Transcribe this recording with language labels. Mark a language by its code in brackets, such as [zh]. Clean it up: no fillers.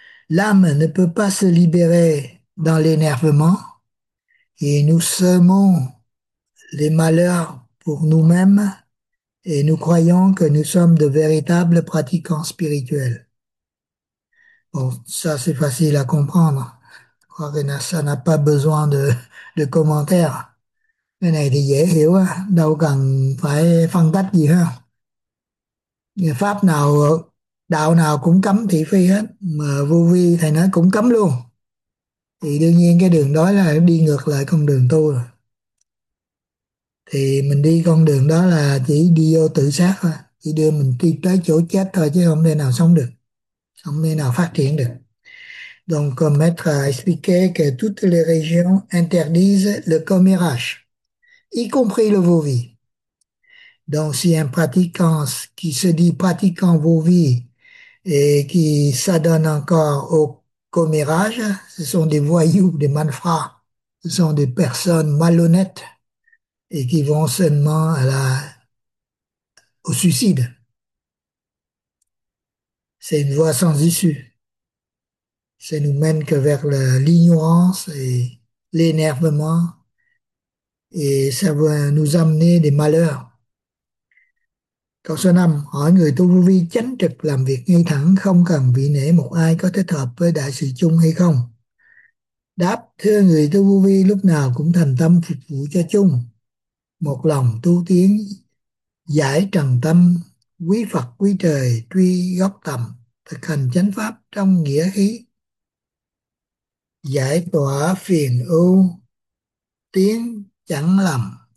[fr] L'âme ne peut pas se libérer dans l'énervement, et nous semons les malheurs pour nous-mêmes, et nous croyons que nous sommes de véritables pratiquants spirituels. Bon, ça c'est facile à comprendre. Je crois que ça n'a pas besoin de commentaires. [vi] Cái này thì dễ hiểu, đâu cần phải phân tích gì ha. Pháp nào, đạo nào cũng cấm thị phi hết, mà vô vi thầy nói cũng cấm luôn. Thì đương nhiên cái đường đó là đi ngược lại con đường tu rồi. Thì mình đi con đường đó là chỉ đi vô tự sát thôi. Chỉ đưa mình đi tới chỗ chết thôi chứ không thể nào sống được. Không thể nào phát triển được. [fr] Donc, comme Maître a expliqué que toutes les religions interdisent le commérage, y compris le vô vi. Donc, si un pratiquant qui se dit pratiquant vô vi et qui s'adonne encore au commérage, ce sont des voyous, des malfrats, ce sont des personnes malhonnêtes et qui vont seulement au suicide. C'est une voie sans issue. Ça nous mène que vers l'ignorance et l'énervement et ça va nous amener des malheurs. [vi] Câu số 5, hỏi người tu vô vi chánh trực làm việc ngay thẳng không cần vị nể một ai có thích hợp với đại sự chung hay không? Đáp, thưa người tu vô vi lúc nào cũng thành tâm phục vụ cho chung, một lòng tu tiến giải trần tâm, quý Phật quý trời truy gốc tầm, thực hành chánh pháp trong nghĩa khí, giải tỏa phiền ưu, tiến chẳng lầm.